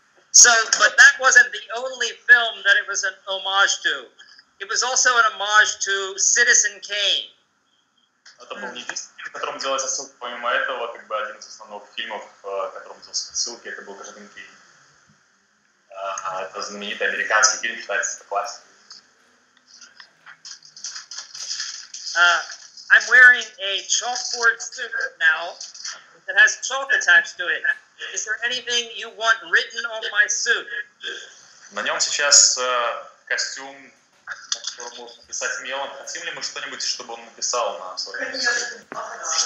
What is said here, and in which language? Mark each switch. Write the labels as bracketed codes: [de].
[en] So, but that wasn't the only film that it was an homage to. It was also an homage to Citizen Kane. [ru] Это был не единственный фильм, в котором делалась ссылка. Помимо этого, как бы один из основных фильмов, в котором делалась ссылка, это был Гражданин Кейн. Это знаменитый американский фильм, считается, это классика. [en] I'm wearing a chalkboard suit now that has chalk attached to it. Is there anything you want written on my suit? [ru] На нём сейчас костюм, на котором можно писать мелом. Хотим ли мы что-нибудь, чтобы он написал на своём суте?